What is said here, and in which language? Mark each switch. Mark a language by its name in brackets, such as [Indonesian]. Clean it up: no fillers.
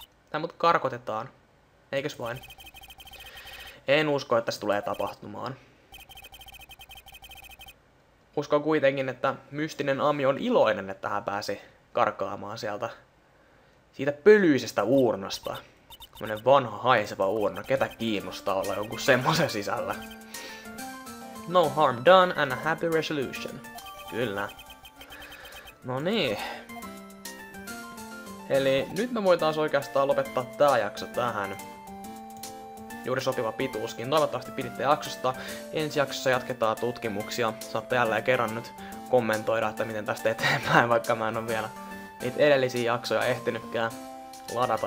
[Finnish] Tää mut karkotetaan, eikös vain? En usko, että se tulee tapahtumaan. Uskon kuitenkin, että mystinen Ami on iloinen, että hän pääsi karkaamaan sieltä. Siitä pölyisestä urnasta. Tämmönen vanha haiseva urna. Ketä kiinnostaa olla jonkun semmoisen sisällä? [English] No harm done and a happy resolution. [Finnish] Kyllä. No niin. Eli nyt me voitais oikeastaan lopettaa tää jakso tähän. Juuri sopiva pituuskin. Toivottavasti piditte jaksosta. Ensi jaksossa jatketaan tutkimuksia. Saatte jälleen kerran nyt kommentoida, että miten tästä eteenpäin, vaikka mä en ole vielä niitä edellisiä jaksoja ehtinytkään ladata.